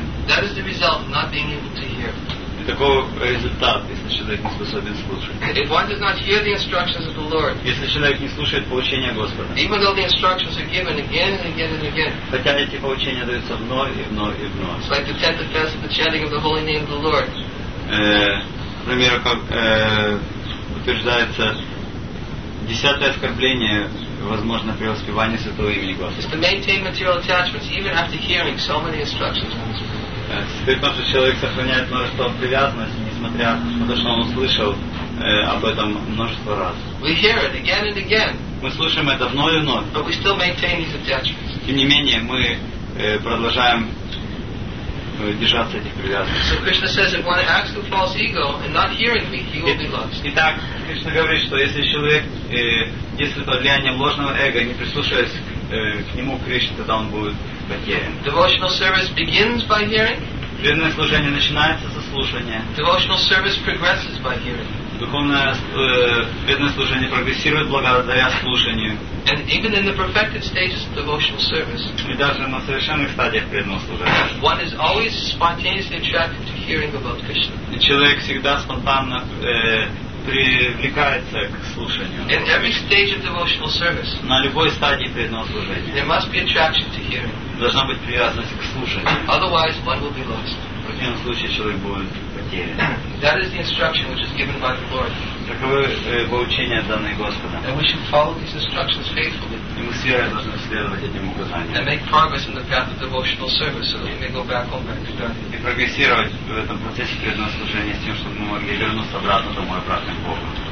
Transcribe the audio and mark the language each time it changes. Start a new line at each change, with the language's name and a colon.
English: That is the result of not being able to hear.
Russian: Такой результат, если человек не способен слушать.
English: If one does not hear the instructions of the Lord,
Russian: если человек не слушает поучения Господа,
English: even though the instructions are given again and again and again,
Russian: хотя эти поучения даются вновь и вновь и вновь.
English: It's like the tenth offense of the chanting of the holy name of the Lord.
Russian: Например, как утверждается, десятое оскорбление возможно при воспевании святого имени Господа.
English: It's to maintain material attachments even after hearing so many instructions.
Russian: Теперь потому, что человек сохраняет множество привязанностей, несмотря на то, что он услышал об этом множество раз.
English: We hear it again and again.
Russian: Мы слышим это вновь и вновь.
English: But we still maintain these attachments.
Russian: Тем не менее, мы продолжаем держаться этих привязанностей.
English: So Krishna says, if one acts with false ego and not hearing me, he will be lost.
Russian: Итак, Кришна говорит, что если человек действует под влиянием ложного эго, не прислушиваясь к нему, Кришне, тогда он будет потерян.
English: Devotional service begins by hearing.
Russian: Преданное служение начинается со слушания.
English: Devotional service progresses by hearing.
Russian: Духовное преданное служение прогрессирует благодаря слушанию.
English: And even in the perfected stages of devotional service,
Russian: и даже на совершенных стадиях преданного служения,
English: one is always spontaneously attracted to hearing about Krishna.
Russian: И человек всегда спонтанно привлекается к слушанию.
English: In every stage of devotional service,
Russian: на любой стадии преданного служения,
English: there must be attraction to hearing.
Russian: Должна быть привязанность к слушанию.
English: Otherwise, one will be lost.
Russian: В противном случае человек будет потерян.
English: That is the instruction which is given by the Lord.
Russian: Таковы поучения, данные Господом.
English: And we should follow these instructions faithfully.
Russian: И мы с верой должны следовать этим указаниям.
English: And make progress in the path of devotional service so that we may go back home back to God.
Russian: И прогрессировать в этом процессе преданного служения с тем, чтобы мы могли вернуться обратно домой, обратно к Богу.